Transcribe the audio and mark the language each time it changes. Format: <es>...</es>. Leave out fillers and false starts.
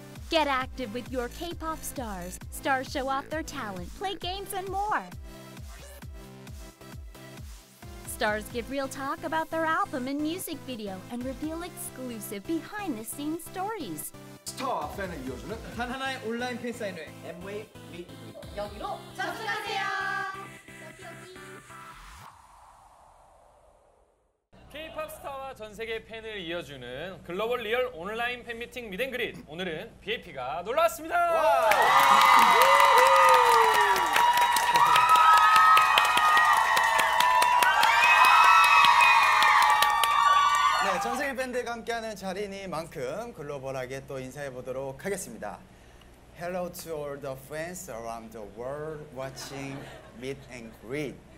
<en>Get active with your K-pop stars. Stars show off their talent, play games, and more. Stars give real talk about their album and music video and reveal exclusive behind-the-scenes stories.</en> <ko>Star fan 의 이어주는 단 하나의 온라인 팬 사인회</ko> <en>M-Wave Meet and Greet</en> <ko>여기로 접속하세요. 케이팝 스타와 전 세계 팬을 이어주는 글로벌 리얼 온라인 팬미팅 미덴그릿 오늘은 VIP가 놀러왔습니다. 네, 전 세계 팬들과 함께하는 자리니만큼 글로벌하게 또 인사해보도록 하겠습니다.</ko> <en>Hello to all the fans around the world watching Meet and Greet.</en>